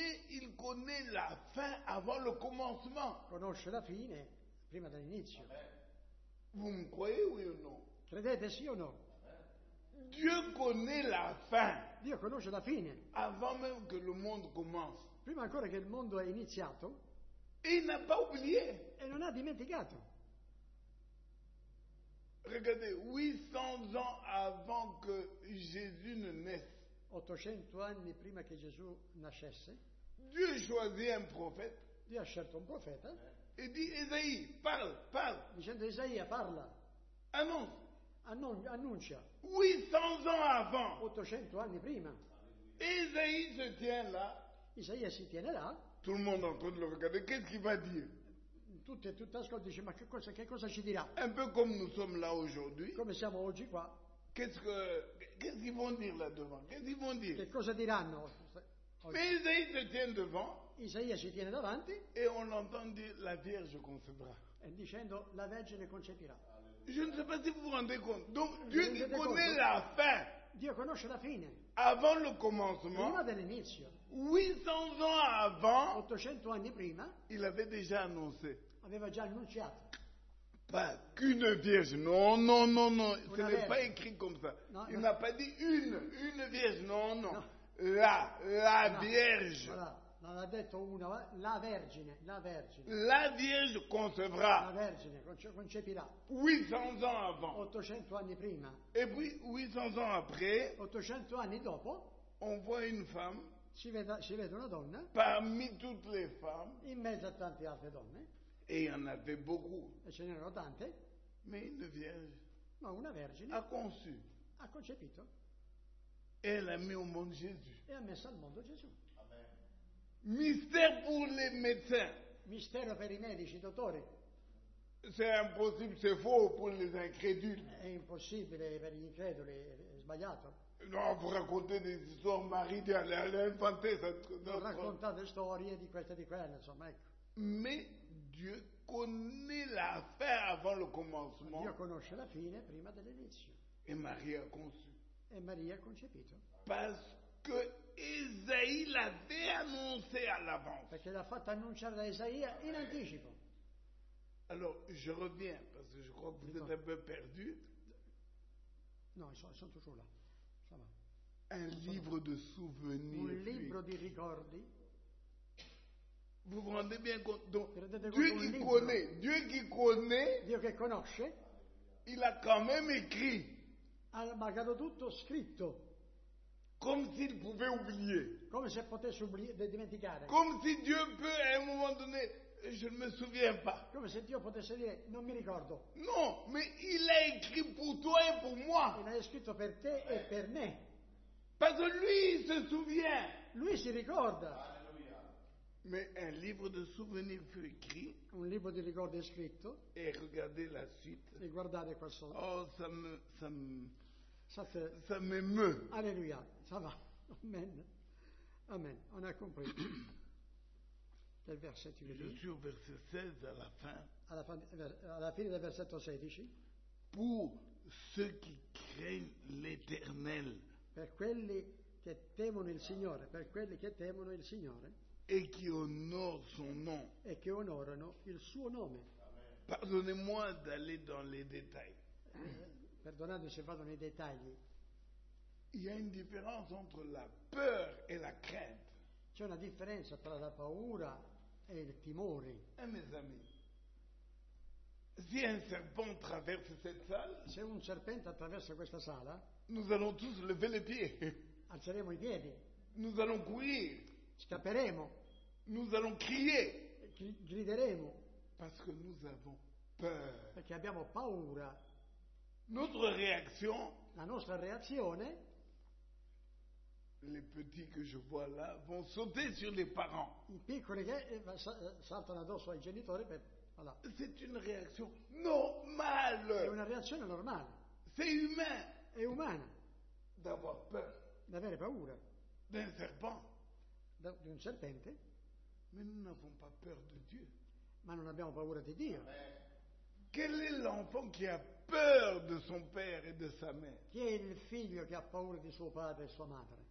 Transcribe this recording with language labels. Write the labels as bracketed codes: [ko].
[fr] Il connaît la fin avant le commencement. [it] Conosce la fine prima dell'inizio. [fr] Amen. Vous me croyez oui ou non? [it] Credete sì o no? [fr] Dieu connaît la fin. [it] Dio conosce la fine. [fr] Avant même que le monde commence. [it] Prima ancora che il mondo è iniziato. [fr] E n'a pas oublié. [it] E non ha dimenticato. [fr] Regardez, 800 ans avant que Jésus ne naisse. [it] 800 anni prima che Gesù nascesse. [fr] Dieu choisit un prophète. [it] Dio ha scelto un profeta. [fr] E dit Esaïe, parle. [it] Dicendo Esaia, parla. [fr] Annonce. [it] Annuncia [fr] 800 ans avant. [it] 800 anni prima. [fr] Esaïe se tient là. [it] Isaia si tiene là. [fr] Tout le monde en train de le regarder. Qu'est-ce qu'il va dire? [it] Tutti ascoltano, dice, ma che cosa ci dirà? [fr] Un peu comme nous sommes là aujourd'hui. [it] Come siamo oggi qua. [fr] Qu'est-ce qu'ils vont dire là devant? Qu'est-ce qu'ils vont dire? [it] Che cosa diranno? [fr] Mais Isaïe se tient devant. [it] Isaia si tiene davanti. [fr] Et on entend dire la Vierge concevra. [it] E dicendo la Vergine concepirà. [fr] Je ne sais pas si vous vous rendez compte. Donc Dieu qui connaît la fin. [it] Dio conosce la fine. [fr] Avant le commencement. [it] Prima dell'inizio. [fr] 800 ans avant. [it] 800 anni prima. [fr] Il avait déjà annoncé. [it] Aveva già annunciato. [fr] Pas qu'une vierge. Non. Ce n'est pas écrit comme ça. Il n'a pas dit une vierge. Non. La vierge. [it] Voilà. Non ha detto una. La vergine. La vergine. [fr] La vierge concevra. [it] La vergine concepirà. [fr] 800 ans avant. [it] 800 anni prima. [fr] Et puis 800 ans après. [it] 800 anni dopo. [fr] On voit une femme. [it] Si vede una donna. [fr] Parmi toutes les femmes. [it] In mezzo a tante altre donne. [fr] Et il y en avait beaucoup. [it] E ce n'erano tante. [fr] Mais une vierge. [it] Ma una vergine. [fr] Ha conçu. [it] Ha concepito. [fr] Elle a mis au monde Jésus. [it] E ha messo al mondo Gesù. [fr] Mystère pour les médecins. [it] Mistero per i medici, dottore. [fr] C'est impossible, c'est faux pour les incrédules. [it] È impossibile per gli increduli, è sbagliato. [fr] Non, vous racontez des histoires maritales, elle est infantée. [it] Non raccontate storie di questa e di quella, insomma, ecco. [fr] Mais Dieu connaît la fin avant le commencement. [it] Dio conosce la fine prima dell'inizio. [fr] Et Marie a conçu. [it] E Maria ha concepito. [fr] Parce que Esaïe l'avait annoncé à l'avance. [it] Perché l'ha fatto annunciare da Isaia in anticipo. [fr] Alors, je reviens, parce que je crois que vous êtes un peu perdu. Non, ils sont toujours là. Ça va. Un livre de souvenirs. [it] Un libro di ricordi. [fr] Vous vous rendez bien compte. Donc, Dieu qui connaît. [it] Dio che conosce. [fr] Il a quand même écrit. [it] Ha marcato tutto scritto. [fr] Comme s'il pouvait oublier. [it] Come se potesse oublier, dimenticare. [fr] Comme si Dieu peut à un moment donné, je ne me souviens pas. [it] Come se Dio potesse dire, non mi ricordo. [fr] Non, mais il a écrit pour toi et pour moi. [it] Il a scritto per te e per me. [fr] Parce que lui il se souvient. [it] Lui si ricorda. [fr] Mais un livre de souvenirs fut écrit. [it] Un libro di ricordi è scritto. [fr] Et regardez la suite. [it] E guardate qua sotto. [fr] Oh, ça m'émeut. Alléluia. Ça va. Amen. Amen. On a compris. Quel verset tu veux dire? Je suis au verset 16 à la fin. À la fin du verset 16. Pour ceux qui craignent l'Éternel. [it] Per quelli che temono il Signore. Per quelli che temono il Signore. [fr] Et qui honore son nom. [it] Et qui onorano il suo nome. [fr] Pardonnez-moi d'aller dans les détails. [it] Perdonate se vado nei dettagli. [fr] Il y a une différence entre la peur et la crainte. [it] C'è una differenza tra la paura e il timore. [fr] Eh, mes amis, si un serpent traverse cette salle. [it] Se un serpente attraversa questa sala. [fr] Nous allons tous lever les pieds. [it] Alzeremo i piedi. [fr] Nous allons courir. [it] Scapperemo. [fr] Nous allons crier. [it] Grideremo. [fr] Parce que nous avons peur. [it] Perché abbiamo paura. [fr] Notre réaction. [it] La nostra reazione. [fr] Les petits que je vois là vont sauter sur les parents. [it] I piccoli che saltano addosso ai genitori per. [fr] Voilà. C'est une réaction normale. [it] È una reazione normale. [fr] C'est humain. [it] È umana. [fr] D'avoir peur. [it] D'avere paura. [fr] D'un serpent. [it] Di un serpente. [fr] Mais nous n'avons pas peur de Dieu. [it] Ma non abbiamo paura di Dio. [fr] Quel est l'enfant qui a peur de son père et de sa mère? [it] Chi è il figlio che ha paura di suo padre e sua madre?